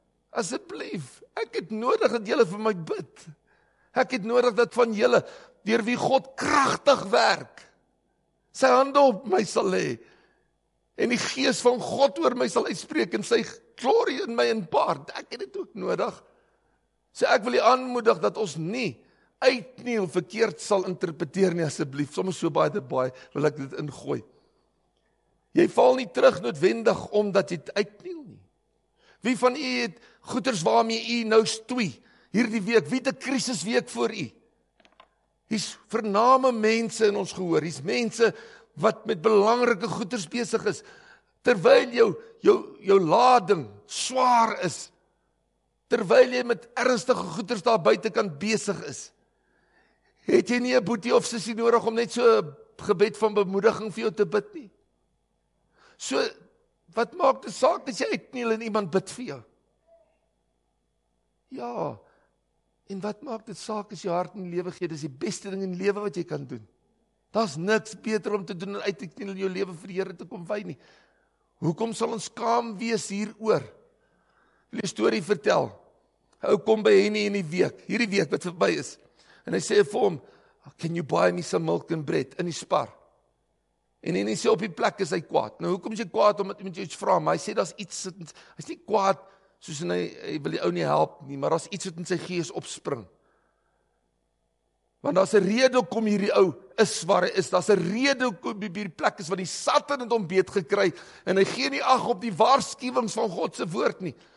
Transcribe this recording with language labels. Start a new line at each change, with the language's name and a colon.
Afrikaans: Asseblief, ek het nodig dat julle vir my bid. Ek het nodig dat van julle, deur wie God kragtig werk, sy hande op my sal hê, en die gees van God oor my sal uitspreek, en sy glorie in my inpaard, ek het dit ook nodig. So ek wil u aanmoedig, dat ons nie uitkniel verkeerd sal interpreteer nie, asseblief, soms so baie te baie, wil ek dit ingooi. Jy val nie terug noodwendig, omdat jy uitkniel nie. Wie van u het goeders waarmee u nou stoei, hierdie week, wie het een krisisweek voor u? Hier is vername mense in ons gehoor, hier is mense wat met belangrike goeders besig is, terwyl jou lading swaar is, terwyl jy met ernstige goeders daar buitenkant besig is, het jy nie een boetie of sissie nodig om net so gebed van bemoediging vir jou te bid nie? So, wat maak die saak as jy uitkniel en iemand bid vir jou? Ja, en wat maak dit saak as jy hart in die lewe gee, dis die beste ding in die lewe wat jy kan doen. Da's niks beter om te doen en uit te kniel jou lewe vir die Here te kom wy nie. Hoekom sal ons skaam wees hieroor? Wil jy storie vertel? Hou kom by Henny in die week, hierdie week wat verby is. En hy sê vir hom,
English: can you buy me some milk and bread
Afrikaans: in die Spar? En Henny sê op die plek is hy kwaad. Nou hoekom is hy kwaad omdat iemand jou iets vra? Maar hy sê daar's iets, hy's nie kwaad, soos en hy wil die ou nie help nie, maar daar is iets wat in sy gees opspring. Want daar is een rede hoekom hierdie ou is waar hy is, daar is een rede hoekom hierdie plek is, want die Satan het hom beet gekry, en hy gee nie ag op die waarskuwings van Godse woord nie.